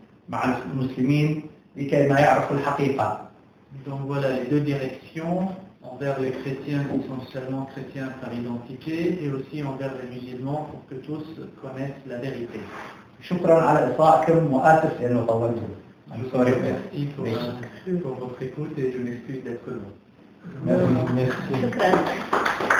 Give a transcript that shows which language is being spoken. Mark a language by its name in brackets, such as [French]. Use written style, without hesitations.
[Arabic] مع المسلمين لكي ما يعرفوا الحقيقة. [French] Donc voilà les deux directions envers les chrétiens qui sont seulement chrétiens par identité et aussi envers les musulmans pour que tous connaissent la vérité. [Arabic] شكرا على إصغائكم وآسف لأنه طولت. [French] Merci pour votre écoute et je m'excuse d'être long. Merci.